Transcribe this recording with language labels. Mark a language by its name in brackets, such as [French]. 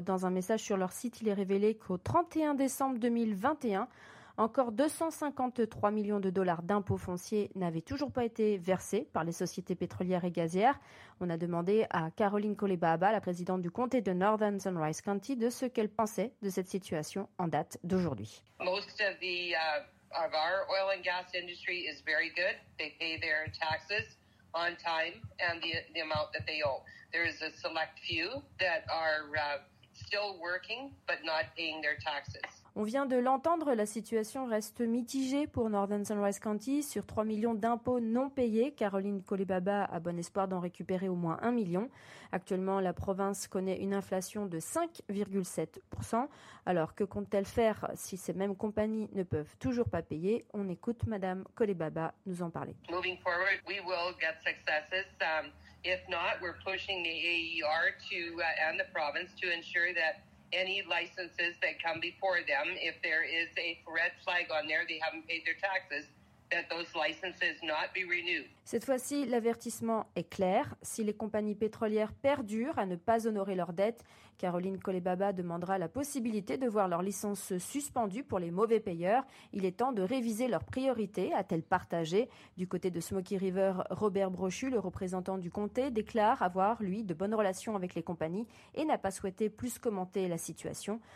[French] Dans un message sur leur site, il est révélé qu'au 31 décembre 2021, encore 253 millions de dollars d'impôts fonciers n'avaient toujours pas été versés par les sociétés pétrolières et gazières. On a demandé à Caroline Colibaba, la présidente du comté de Northern Sunrise County, de ce qu'elle pensait de cette situation en date d'aujourd'hui. [English] Most of the of our oil and gas industry is very good. They pay their taxes on time and the amount that they owe. There is a select few that are still working but not paying their taxes. [French] On vient de l'entendre, la situation reste mitigée pour Northern Sunrise County. Sur 3 millions d'impôts non payés, Caroline Colibaba a bon espoir d'en récupérer au moins 1 million. Actuellement, la province connaît une inflation de 5,7%. Alors que compte-t-elle faire si ces mêmes compagnies ne peuvent toujours pas payer? On écoute Madame Colibaba nous en parler. [English] Moving forward, we will get successes. If not, we're pushing the AER to, and the province to ensure that any licenses that come before them, if there is a red flag on there, they haven't paid their taxes, that those licenses not be renewed. [French] Cette fois-ci, l'avertissement est clair. Si les compagnies pétrolières perdurent à ne pas honorer leurs dettes, Caroline Colibaba demandera la possibilité de voir leurs licences suspendues pour les mauvais payeurs. Il est temps de réviser leurs priorités, a-t-elle partagé. Du côté de Smoky River, Robert Brochu, le représentant du comté, déclare avoir, lui, de bonnes relations avec les compagnies et n'a pas souhaité plus commenter la situation.